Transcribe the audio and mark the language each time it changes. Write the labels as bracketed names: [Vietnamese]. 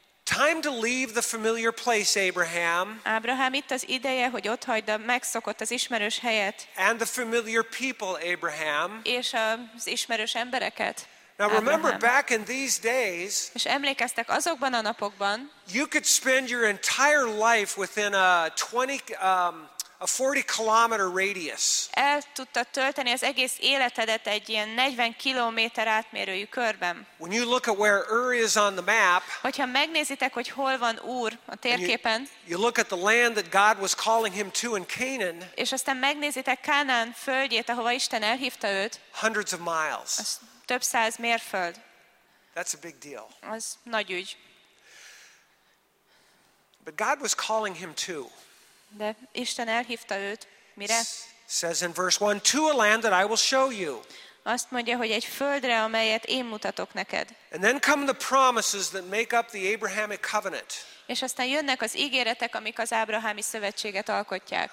[English] Time to leave the familiar place, Abraham. [Hungarian] Ábrahám, itt az ideje, hogy ott hagyd a megszokott, az ismerős helyet. [English] And the familiar people, Abraham. [Hungarian] És az ismerős embereket. [English] Now remember back in these days. [Hungarian] És emlékeztek azokban a napokban. [English] You could spend your entire life within a 20 a 40 kilometer radius. [Hungarian] El tudta tölteni az egész életedet egy ilyen 40 kilométer átmérőjű körben. [English] When you look at where Ur is on the map, [Hungarian] hogyha megnézitek, hogy hol van Ur a térképen, [English] you look at the land that God was calling him to in Canaan, [Hungarian] és aztán megnézitek Kánaán földjét, ahova Isten elhívta őt, [English] hundreds of miles. [Hungarian] Az több száz mérföld. [English] That's a big deal. [Hungarian] Az nagy ügy. [English] But God was calling him too. [Hungarian] De Isten elhívta őt. Mire? [English] Says in verse 1, to a land that I will show you. [Hungarian] Azt mondja, hogy egy földre, amelyet én mutatok neked. [English] And then come the promises that make up the Abrahamic covenant. [Hungarian] És aztán jönnek az ígéretek, amik az ábrahámi szövetséget alkotják.